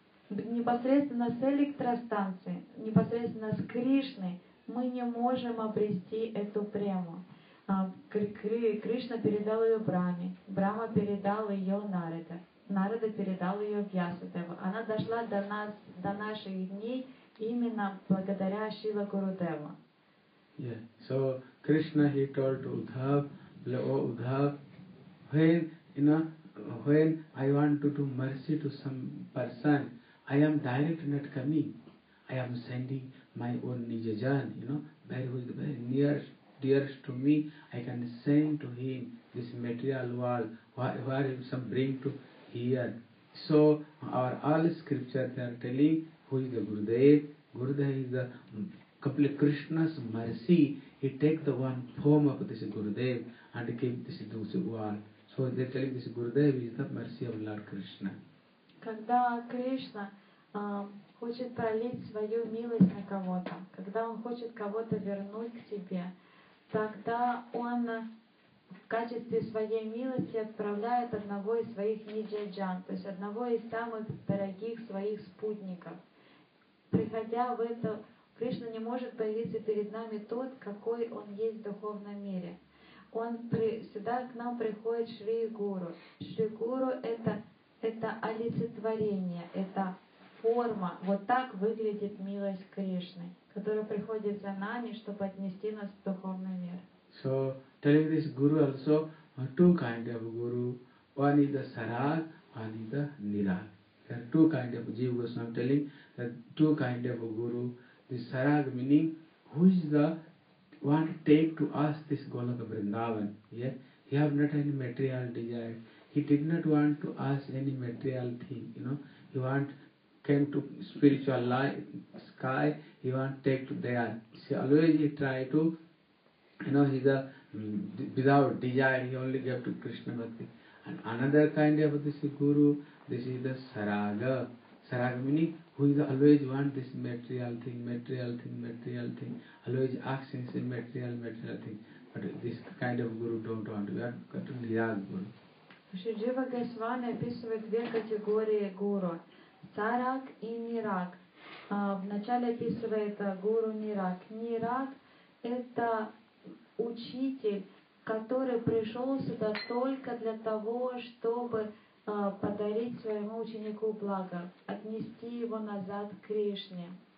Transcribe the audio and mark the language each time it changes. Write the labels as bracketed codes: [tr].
[ru] Непосредственно с электростанции, непосредственно с Кришной мы не можем обрести эту прему. Кришна передал ее Браме, Брама передал ее Нарада, Нарада передал ее Вьясадеву. Она дошла до нас, до наших дней именно благодаря Шрила Гурудеву. [en] Yeah. So Krishna he told to Uddhav, Leo Uddhav, when when I want to do mercy to some person, I am direct not coming. I am sending my own Nijajan, you know, very nearest to me. I can send to him this material world, where he some bring to here. So our all scriptures they are telling who is the Gurudev. Gurudev is the complete Krishna's mercy. He takes the one form of this Gurudev and gives this to the world. So they're telling this Gurudev is the mercy of Lord Krishna. [ru] Когда Кришна хочет пролить свою милость на кого-то, когда он хочет кого-то вернуть к себе, тогда он в качестве своей милости отправляет одного из своих ниджаджан, то есть одного из самых дорогих своих спутников. Приходя в это, Кришна не может появиться перед нами тот, какой он есть в духовном мире. Сюда к нам приходит Шри Гуру. Шри Гуру это олицетворение, это форма. Вот так выглядит милость Кришны, которая приходит за нами, чтобы отнести нас в духовный мир. [en] So, telling this Guru also, two kind of Guru. One is the Sarag, one is the Nirag. There are two kind of Jiva Goswami telling, two kind of Guru. This Sarag meaning, who is the want to take to us this Goloka Vrindavan. Yeah? He have not any material desire. He did not want to ask any material thing, you know. He want came to spiritual life, sky, he want to take to there. See, always he try to, you know, he's a without desire, he only gave to Krishna Bhakti. And another kind of this Guru, this is the Saraga. Saraga meaning, who is always want this material thing, always asking this material thing. But this kind of Guru don't want to, we have got to Nirag Guru. [ru] Шриджива Госвами описывает две категории Гуру, Сарак и Нирак. Вначале описывает Гуру Нирак. Нирак – это учитель, который пришел сюда только для того, чтобы подарить своему ученику благо, отнести его назад к Кришне.